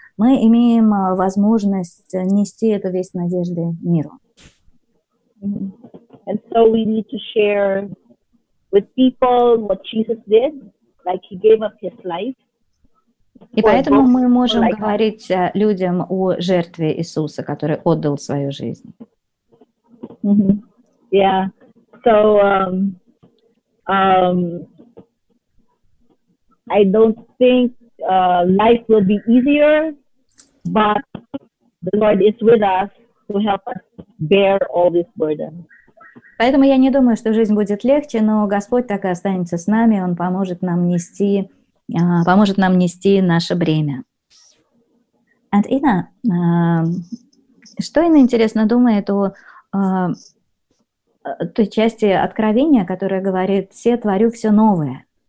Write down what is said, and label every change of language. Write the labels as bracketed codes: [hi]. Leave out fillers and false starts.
[ru] Мы имеем возможность нести эту весть надежды миру. [en] And so we need to share with people what Jesus did, like he gave up his life. [ru] И поэтому мы можем говорить людям о жертве Иисуса, который отдал свою жизнь. Mm-hmm. Yeah. [en] So I don't think life will be easier, but the Lord is with us to help us bear all this burden. [ru] Поэтому я не думаю, что жизнь будет легче, но Господь так и останется с нами, Он поможет нам нести. Поможет нам нести наше бремя. And Ina, что Ина, интересно, думает о той части Откровения, которая говорит, «Се творю все новое».